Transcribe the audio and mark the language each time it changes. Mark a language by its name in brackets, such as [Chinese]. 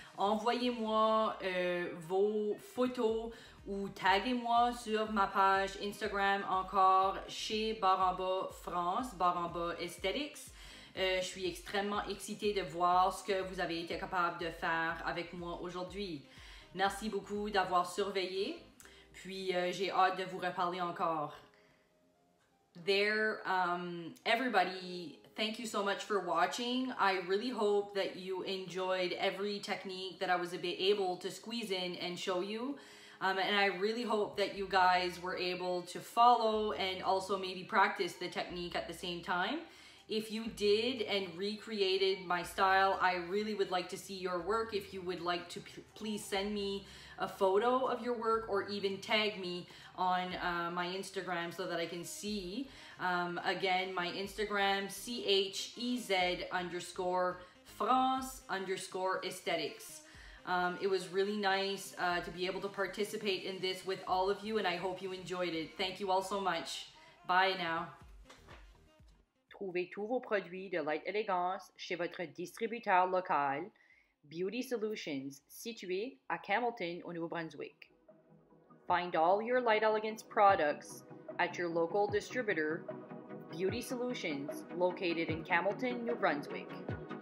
[French] Envoyez-moi vos photos ou taguez-moi sur ma page Instagram encore chez Baramba France, Baramba Aesthetics. Je suis extrêmement excitée de voir ce que vous avez été capable de faire avec moi aujourd'hui. Merci beaucoup d'avoir surveillé, puis j'ai hâte de vous reparler encore. [English] There, everybody, thank you so much for watching. I really hope that you enjoyed every technique that I was a bit able to squeeze in and show you. And I really hope that you guys were able to follow and also maybe practice the technique at the same time. If you did and recreated my style, I really would like to see your work. If you would like to, please send me a photo of your work or even tag me on my Instagram so that I can see. Again, my Instagram, chez_France_aesthetics. It was really nice to be able to participate in this with all of you, and I hope you enjoyed it. Thank you all so much. Bye now. [French] Trouvez tous vos produits de Light Elegance chez votre distributeur local, Beauty Solutions, situé à Campbellton, au Nouveau-Brunswick. [English] Find all your Light Elegance products at your local distributor, Beauty Solutions, located in Campbellton, New Brunswick.